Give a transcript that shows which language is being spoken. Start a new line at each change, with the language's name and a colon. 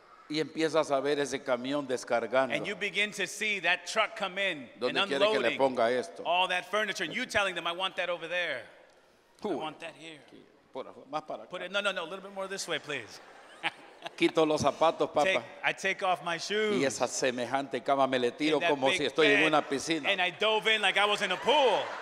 Spanish: Y empiezas a ver ese camión descargando.
English: And you begin to see that truck come in
Spanish: ¿Dónde
English: and unloading
Spanish: que le ponga esto?
English: All that furniture. And you telling them, I want that over there.
Spanish: Uy,
English: I want that here.
Spanish: Más para acá.
English: Put it, no, a little bit more this way, please.
Spanish: Quito los zapatos, papá.
English: I take off my shoes.
Spanish: Y esa semejante cama me le tiro como si estoy en una piscina.
English: And I dove in like I was in a pool.